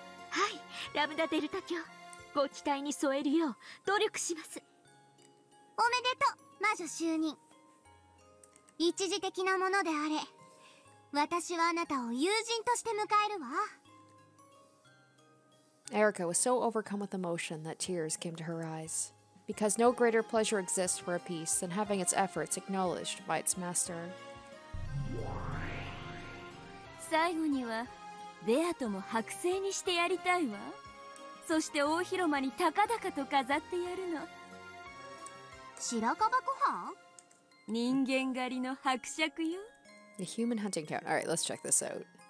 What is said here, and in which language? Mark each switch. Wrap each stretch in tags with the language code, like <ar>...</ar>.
<ja>はい、ラムダデルタ卿、ご期待に添えるよう努力します。おめでとう、魔女就任。一時的なものであれ、私はあなたを友人として迎えるわ。</ja> <en>Erica was so overcome with emotion that tears came to her eyes, because no greater pleasure exists for a piece than having its efforts acknowledged by its master.</en> <ja>最後にはベアトも剥製にしてやりたいわ。そして大広間に高々と飾ってやるの。白樺湖畔？人間狩りの伯爵よ。</ja> <en>A human hunting count. All right, let's check this out.</en>